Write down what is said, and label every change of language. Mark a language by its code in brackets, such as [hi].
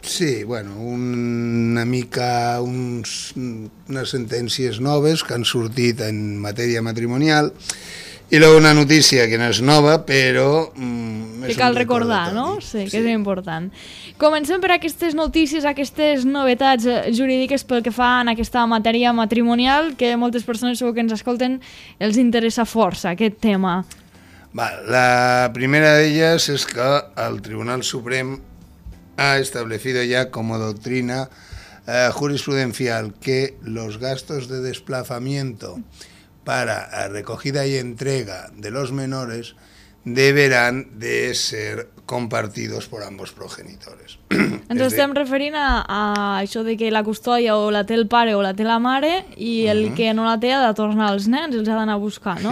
[ca] Sí, bueno, una mica unes sentències noves que han sortit en matèria matrimonial i luego una notícia que no és nova, però... que cal recordar, no? Sí, que sí. És important. Comencem per aquestes notícies, aquestes novetats jurídiques pel que fa en aquesta matèria matrimonial, que moltes persones segur que ens escolten els interessa força aquest tema. Va, la primera d'elles és que el Tribunal Suprem [es] ha establecido ya como doctrina jurisprudencial que los gastos de desplazamiento para recogida y entrega de los menores deberán de ser compartidos por ambos progenitores. [ca] Entonces estem referint a això de que la custòdia o la té el pare o la té la mare i el que no la té ha de tornar als nens, els ha d'anar a buscar, no?